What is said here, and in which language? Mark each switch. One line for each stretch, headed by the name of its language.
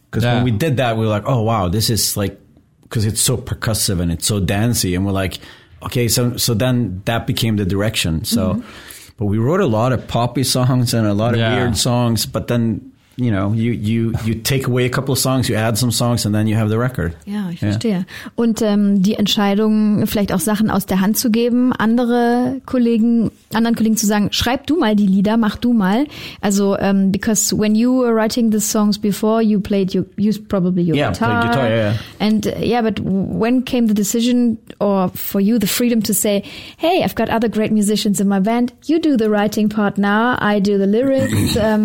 English: Because when we did that, we were like, oh, wow, this is like, because it's so percussive and it's so dancey. And we're like, okay, so then that became the direction. So, but we wrote a lot of poppy songs and a lot of weird songs. But then, you know, you take away a couple of songs, you add some songs, and then you have the record.
German: Ja, ich verstehe. Und die Entscheidung, vielleicht auch Sachen aus der Hand zu geben, anderen Kollegen zu sagen, schreib du mal die Lieder, mach du mal.
English: Also, because when you were writing the songs before, you played, you used probably your guitar. Yeah, played guitar, yeah. And but when came the decision or for you the freedom to say, hey, I've got other great musicians in my band, you do the writing part now, I do the lyrics.